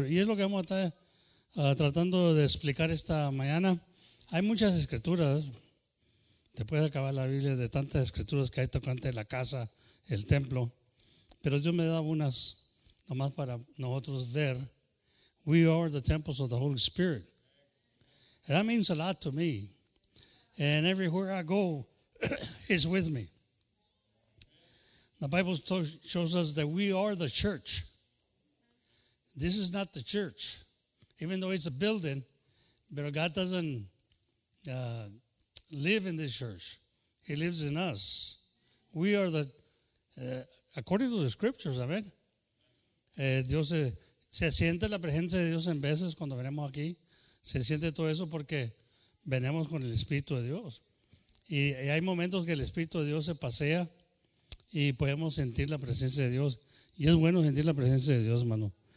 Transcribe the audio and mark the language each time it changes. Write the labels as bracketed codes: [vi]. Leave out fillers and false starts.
[es] Y es lo que vamos a estar tratando de explicar esta mañana. Hay muchas escrituras. Te puedes acabar la Biblia de tantas escrituras que hay tocante la casa, el templo. Pero Dios me da unas nomás para nosotros ver. [en] We are the temples of the Holy Spirit. And that means a lot to me. And everywhere I go, He's with me. The Bible shows us that we are the church. This is not the church. Even though it's a building, but God doesn't live in this church. He lives in us. We are the according to the scriptures, amen. [es] Dios se siente la presencia de Dios en veces cuando venimos aquí. Se siente todo eso porque venimos con el Espíritu de Dios. Y hay momentos que el Espíritu de Dios se pasea y podemos sentir la presencia de Dios. Y es bueno sentir la presencia de Dios, hermano.